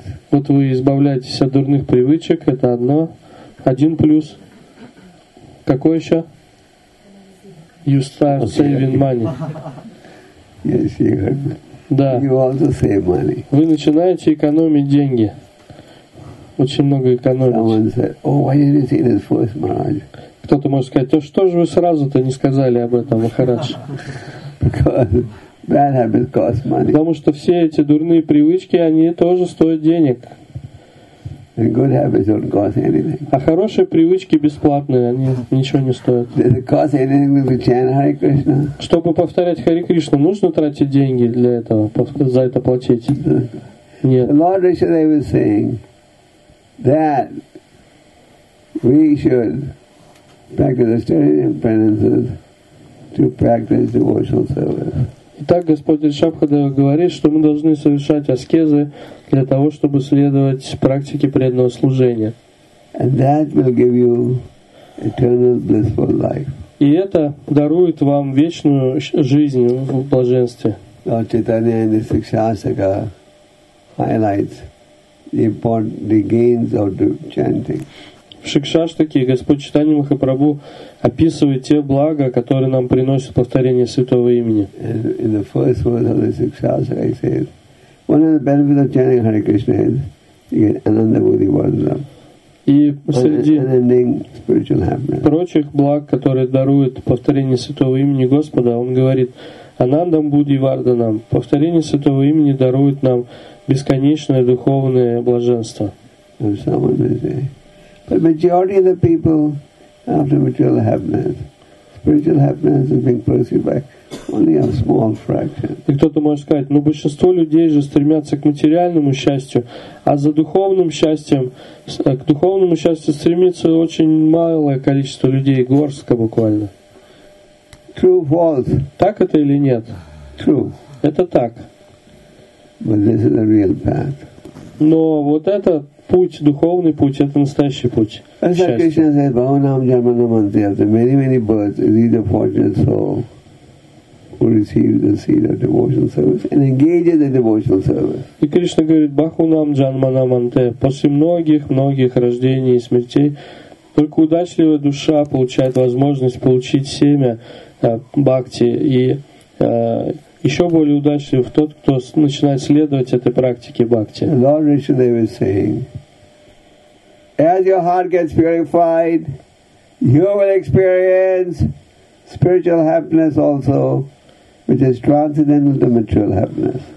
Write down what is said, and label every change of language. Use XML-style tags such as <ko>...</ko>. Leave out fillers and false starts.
<ru>Вот вы избавляетесь от дурных привычек, это одно. Один плюс. Какой еще?</ru> <en>You start saving money. Yes, you heard me.</en> <ru>Да.</ru> <en>You also save money.</en> <ru>Вы начинаете экономить деньги. Очень много экономить.</ru> <en>Someone said, oh, why didn't you see this first, Maharaj?</en> <ru>Кто-то может сказать, то что же вы сразу-то не сказали об этом, Махарадж?</ru> <en>Bad habits cost money.</en> <ru>Потому что все эти дурные привычки, они тоже стоят денег.</ru> <en>And good habits don't cost anything.</en> <ru>А хорошие привычки бесплатные, они ничего не стоят.</ru> <en>Does it cost anything to chant Hare Krishna?</en> <ru>Чтобы повторять Хари Кришну, нужно тратить деньги для этого, за это платить? Нет.</ru> <en>Lord Rishadev is saying that we should practice austerity and penances to practice devotional service.</en> <ru>Итак, Господь Ришабхадева говорит, что мы должны совершать аскезы для того, чтобы следовать практике преданного служения.</ru> <en>And that will give you eternal blissful life.</en> <ru>И это дарует вам вечную жизнь в блаженстве.</ru> <en>Lord Chaitanya in the Sikshasaka highlights the gains of chanting.</en> <ru>В Шикшаштаке Господь Чайтанья Махапрабху описывает те блага, которые нам приносит повторение святого имени.</ru> <en>In the first verse of the Shikshasaka, he says, one of the benefits of chanting Hare Krishna is you get ananda bodhi vardhanam.</en> <ru>И среди</ru> <en>spiritual happiness.</en> <ru>Прочих благ, которые дарует повторение святого имени Господа, он говорит, Анандам Буддиварданам, повторение святого имени дарует нам бесконечное духовное блаженство.</ru> <en>But majority of the people after material happiness, spiritual happiness is being pursued by only a small fraction.</en> <ru>И кто-то может сказать, но большинство людей же стремятся к материальному счастью, а за духовным счастьем, к духовному счастью стремится очень малое количество людей, горстка буквально.</ru> <en>True, false.</en> <ru>Так это или нет?</ru> <en>True.</en> <ru>Это так.</ru> <en>But this is a real path.</en> <ru>Но вот этот путь, духовный путь, это настоящий путь.</ru> <en>As Krishna said, Bhavanam Jamanamanti, after many, many births, is he the fortunate soul who receives the seed of devotional service and engages in devotional service.</en> <ru>И Кришна говорит, Бахунам Джанманаманте, после многих-многих рождений и смертей, только удачливая душа получает возможность получить семя бхакти и еще более удачлив тот, кто начинает следовать этой практике бхакти.</ru> <en>Lord Rishadeva is saying, as your heart gets purified, you will experience spiritual happiness also, which is transcendental to material happiness.</en>